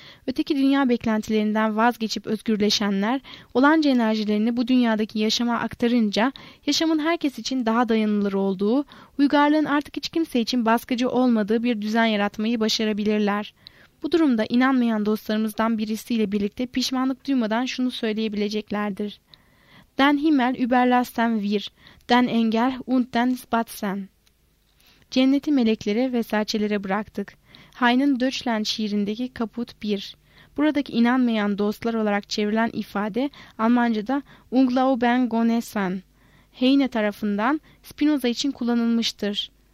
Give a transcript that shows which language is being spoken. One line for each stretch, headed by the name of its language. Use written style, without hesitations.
Turkish: Öteki dünya beklentilerinden vazgeçip özgürleşenler olanca enerjilerini bu dünyadaki yaşama aktarınca yaşamın herkes için daha dayanılır olduğu, uygarlığın artık hiç kimse için baskıcı olmadığı bir düzen yaratmayı başarabilirler. Bu durumda inanmayan dostlarımızdan birisiyle birlikte pişmanlık duymadan şunu söyleyebileceklerdir.
German: Den Himmel überlassen wir, den Engel und den Spatzen.
Turkish: Cenneti meleklere ve serçelere bıraktık. Hayn'ın Deutschland şiirindeki Kaput 1. Buradaki inanmayan dostlar olarak çevrilen ifade Almanca'da Unglauben Gonesan, Heine tarafından Spinoza için kullanılmıştır.